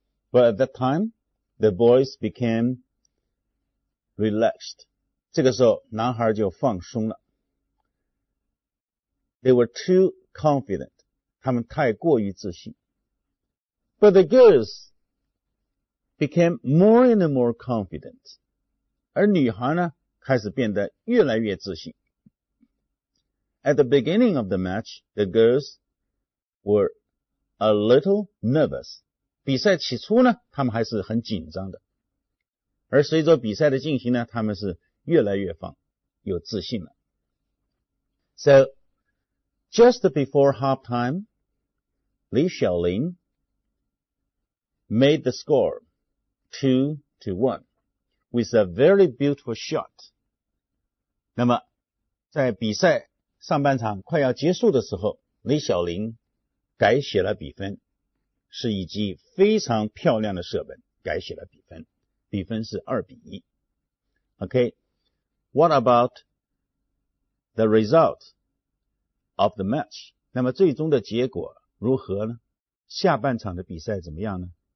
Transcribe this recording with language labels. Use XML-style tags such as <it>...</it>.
<en>But at that time, the boys became relaxed.</en> <zh>这个时候男孩就放松了。</zh> <en>They were too confident.</en> <zh>他们太过于自信。</zh> <en>But the girls became more and more confident.</en> <zh>而女孩呢开始变得越来越自信。</zh> <en>At the beginning of the match, the girls were a little nervous.</en> <zh>比赛起初呢他们还是很紧张的。而随着比赛的进行呢，他们是越来越放，有自信了。</zh> <en>So, just before halftime, Li Xiaolin made the score 2-1 with a very beautiful shot.</en> <zh>那么，在比赛上半场快要结束的时候，李晓玲改写了比分，是一记非常漂亮的射门，改写了比分。比分是2-1。</zh> <en>Okay, what about the result of the match?</en> <zh>那么最终的结果如何呢？下半场的比赛怎么样呢？</zh>